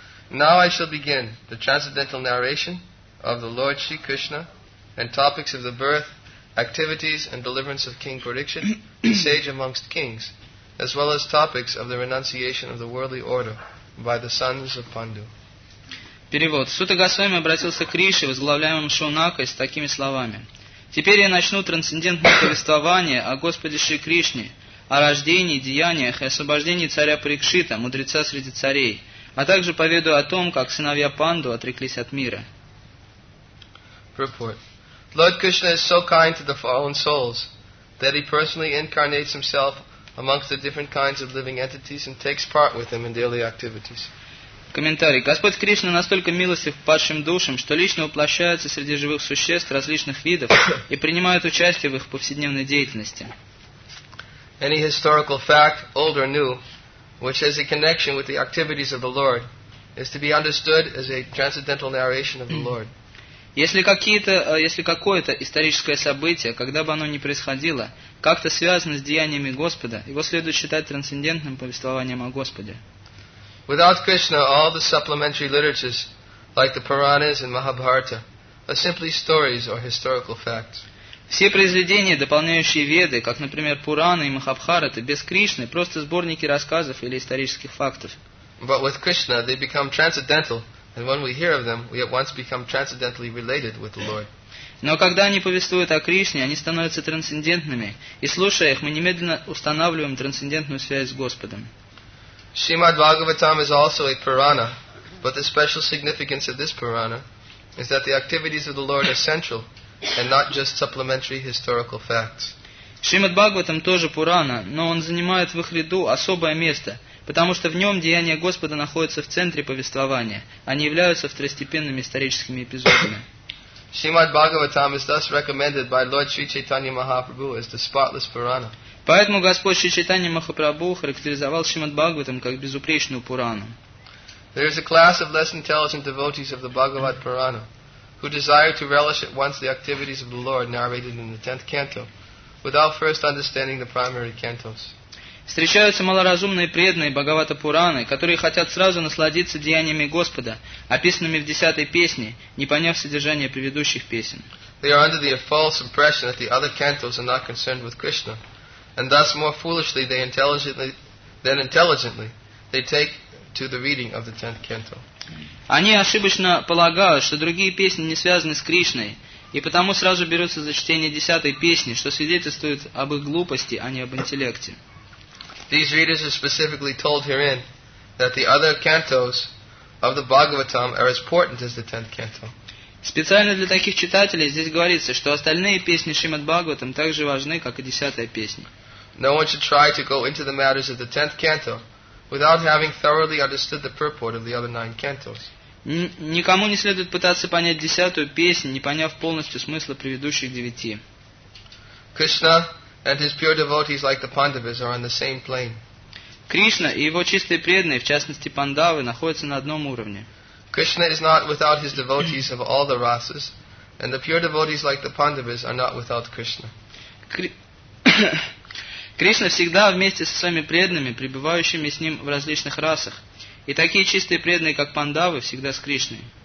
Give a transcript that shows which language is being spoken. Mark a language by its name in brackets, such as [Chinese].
[English] Now I shall begin the transcendental narration of the Lord Shri Krishna and topics of the birth, activities, and deliverance of King Parikshit, the sage amongst kings, as well as topics of the renunciation of the worldly order by the sons of Pandu. [Russian] Перевод. Сута Госвами обратился к Риши, возглавляемому Шонакой, с такими словами. Теперь я начну трансцендентное повествование о Господе Шри Кришне, о рождении, деяниях и освобождении царя Парикшита, мудреца среди царей, а также поведаю о том, как сыновья Панду отреклись от мира. [English] Report. Lord Krishna is so kind to the fallen souls that he personally incarnates himself amongst the different kinds of living entities and takes part with them in daily activities. [Russian] Комментарий. Господь Кришна настолько милостив к падшим душам, что лично воплощается среди живых существ различных видов и принимает участие в их повседневной деятельности. [English] Any historical fact, old or new, which has a connection with the activities of the Lord, is to be understood as a transcendental narration of the Lord. [Russian] Если какое-то историческое событие, когда бы оно ни происходило, как-то связано с деяниями Господа, его следует считать трансцендентным повествованием о Господе. [English] Without Krishna, all the supplementary literatures, like the Puranas and Mahabharata, are simply stories or historical facts. [Russian] Все произведения, дополняющие Веды, как, например, Пураны и Махабхараты, без Кришны просто сборники рассказов или исторических фактов. [English] But with Krishna, they become transcendental. And when we hear of them, we at once become transcendentally related with the Lord. [Russian] Но когда они повествуют о Кришне, они становятся трансцендентными, и слушая их, мы немедленно устанавливаем трансцендентную связь с Господом. [English] Shrimad Bhagavatam is also a Purana, but the special significance of this Purana is that the activities of the Lord are central and not just supplementary historical facts. [Russian] Шримад Бхагаватам тоже Пурана, но он занимает в их ряду особое место, потому что в нем деяния Господа находятся в центре повествования, а не являются второстепенными историческими эпизодами. [English] Шримад Бхагаватам is thus recommended by Lord Sri Chaitanya Mahaprabhu as the spotless Purana. [Russian] Поэтому Господь Шри Чайтанья Махапрабху характеризовал Шримад Бхагаватам как безупречную Пурану. [English] There is a class of less intelligent devotees of the Bhagavad Purana who desire to relish at once the activities of the Lord narrated in the 10th canto, without first understanding the primary cantos. [Russian] Встречаются малоразумные преданные Бхагавата Пураны, которые хотят сразу насладиться деяниями Господа, описанными в 10-й песне, не поняв содержания предыдущих песен. [English] They are under the false impression that the other cantos are not concerned with Krishna, and thus more foolishly than intelligently they take to the reading of the 10th canto. [Russian] Они ошибочно полагают, что другие песни не связаны с Кришной, и потому сразу берутся за чтение 10-й песни, что свидетельствует об их глупости, а не об интеллекте. [English] These readers are specifically told herein that the other cantos of the Bhagavatam are as important as the 10th canto. [Russian] Специально для таких читателей здесь говорится, что остальные песни Шримад Бхагаватам так же важны, как и 10-я песня. [English] No one should try to go into the matters of the 10th canto without having thoroughly understood the purport of the other 9 cantos. [Russian] Никому не следует пытаться понять 10-ю песню, не поняв полностью смысла предыдущих 9. [English] Krishna and his pure devotees like the Pandavas are on the same plane. [Russian] Кришна и его чистые преданные, в частности Пандавы, находятся на одном уровне. [English] Krishna is not without his devotees of all the rasas, and the pure devotees like the Pandavas are not without Krishna. [Russian] Кришна всегда вместе со своими преданными, пребывающими с ним в различных расах, и такие чистые преданные, как Пандавы, всегда с Кришной.